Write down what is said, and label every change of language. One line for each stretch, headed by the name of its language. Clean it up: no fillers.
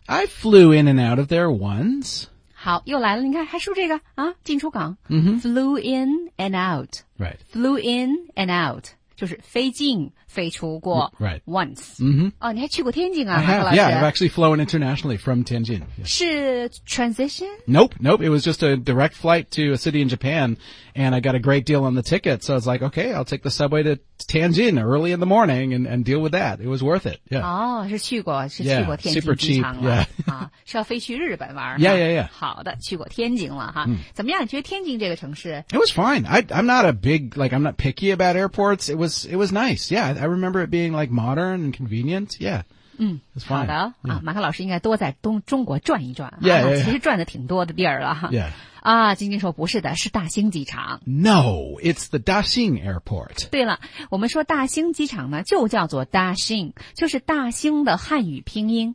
English: I flew in and out of there once
Chinese: 好又来了你看还说这个啊，进出港、 mm-hmm.
English: Flew in and out Right Flew in and out
Chinese: 就是飞进飞出过
English: Right Once、 mm-hmm.
Chinese: 哦，你还去过天津啊
English: I have Yeah I've actually flown internationally from Tianjin、yeah.
Chinese: 是 transition?
English: Nope It was just a direct flight to a city in Japan And I got a great deal on the ticket So I was like Okay I'll take the subway to Tianjin Early in the morning And deal with that It was worth it Yeah
Chinese: 哦是去过是去过天津机场
English: Yeah super cheap Yeah
Chinese: 、啊、是要飞去日本玩
English: Yeah
Chinese: 好的去过天津了哈、怎么样觉得天津这个城市
English: It was fine I'm not a big Like I'm not picky about airports It was nice Yeah I remember it being like modern and convenient. Yeah. It's fine.
Chinese: 好的、yeah. 啊、马克老师应该多在中国转一转。
English: Yeah.
Chinese: 其实转的挺多的地儿了。
English: Yeah.
Chinese: 啊晶晶说不是的是大兴机场。
English: No, it's the Daxing Airport.
Chinese: 对了我们说大兴机场呢就叫做 Daxing, 就是大兴的汉语拼音、